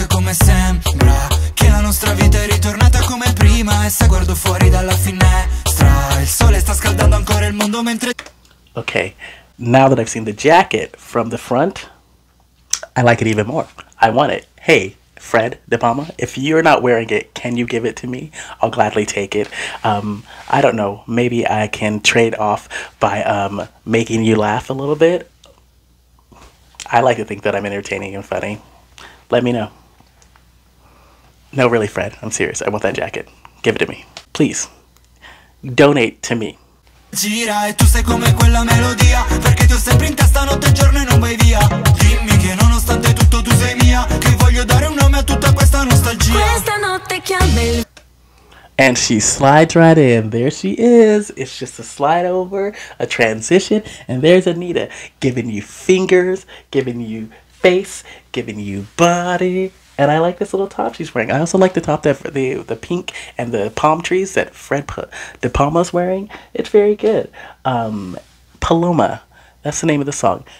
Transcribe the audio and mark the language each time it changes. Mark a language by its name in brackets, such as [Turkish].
[Italian] Sembra che la nostra vita è ritornata come prima e se guardo fuori dalla finestra il sole sta scaldando ancora il mondo mentre. [English] Okay, now that I've seen the jacket from the front, I like it even more. I want it. Hey, Fred De Palma, if you're not wearing it, can you give it to me? I'll gladly take it. I don't know, maybe I can trade off by making you laugh a little bit. I like to think that I'm entertaining and funny. Let me know. No, really, Fred. I'm serious. I want that jacket. Give it to me. Please. Donate to me. [Italian] Gira e tu sei come quella melodia, perché ti ho sempre in testa notte e giorno e non vai via. Dimmi che nonostante tutto tu sei mia, che voglio dare un nome a tutta questa nostalgia. Questa notte chiama. [English] And she slides right in. There she is. It's just a slide over, a transition, and there's Anitta giving you fingers, giving you face, giving you body. And I like this little top she's wearing. I also like the top that the pink and the palm trees that Fred De Palma's wearing. It's very good. Paloma. That's the name of the song.